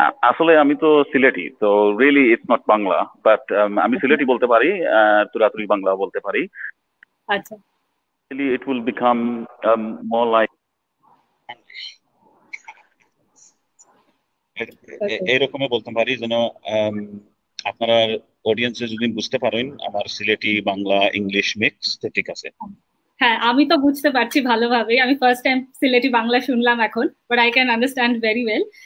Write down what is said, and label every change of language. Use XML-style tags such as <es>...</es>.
<bn>আসলে আমি তো সিলেটি, তো</bn> <en>really it's not Bangla, but</en> <bn>আমি সিলেটি বলতে পারি, তুরাতুরি বাংলা বলতে পারি। আচ্ছা,</bn> <en>it will become more like</en> <bn>এই রকমে বলতে পারি যেন আপনারা অডিয়েন্স যদি বুঝতে পারেন আমার সিলেটি বাংলা ইংলিশ মিক্স, তো ঠিক আছে। হ্যাঁ, আমি তো বুঝতে পারছি ভালোভাবে। আমি ফার্স্ট টাইম সিলেটি বাংলা শুনলাম এখন,</bn> <en>But I can understand very well.</en>